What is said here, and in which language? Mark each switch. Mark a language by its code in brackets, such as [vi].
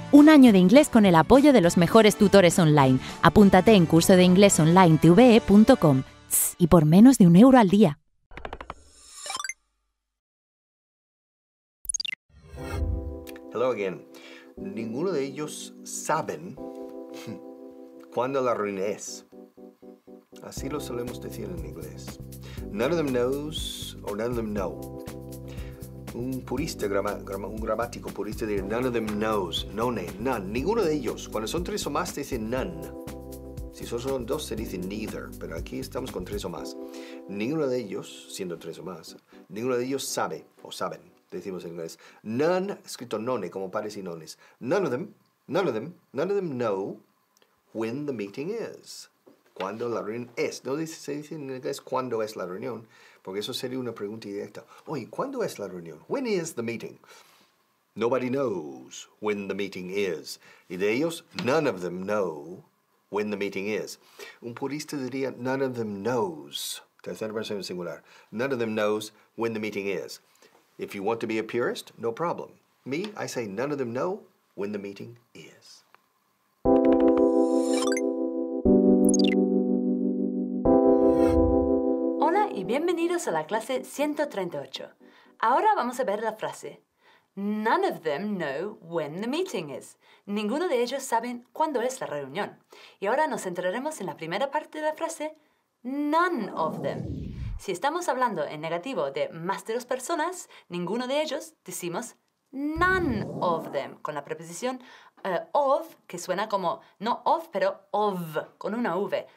[es] Un año de inglés con el apoyo de los mejores tutores online. Apúntate en cursodeinglesonlinetve.com y por menos de un euro al día. [en] Hello again. [es] Ninguno de ellos saben cuándo la ruina es. Así lo solemos decir en inglés. [en] None of them knows or none of them know. [es] Un purista, un gramático purista diría, [en] none of them knows, [es] none, none, ninguno de ellos. Cuando son tres o más, te dicen none. Si solo son dos, se dice neither, pero aquí estamos con tres o más. Ninguno de ellos, siendo tres o más, ninguno de ellos sabe o saben, decimos en inglés. None, escrito none, como pares y nones. [en] None of them know when the meeting is. [es] ¿Cuándo la reunión es? No dice, se dice en inglés, ¿cuándo es la reunión? Porque eso sería una pregunta directa. Oye, ¿cuándo es la reunión? [en] When is the meeting? Nobody knows when the meeting is. [es] Y de ellos, [en] none of them know when the meeting is. [es] Un purista diría, [en] none of them knows. [es] Tercera persona singular. [en] None of them knows when the meeting is. If you want to be a purist, no problem. Me, I say, none of them know when the meeting is. [es] Y bienvenidos a la clase 138. Ahora vamos a ver la frase. [en] None of them know when the meeting is. [es] Ninguno de ellos saben cuándo es la reunión. Y ahora nos centraremos en la primera parte de la frase. [en] None of them. [es] Si estamos hablando en negativo de más de dos personas, ninguno de ellos, decimos [en] none of them. [es] Con la preposición of, que suena como no of, pero of, con una V.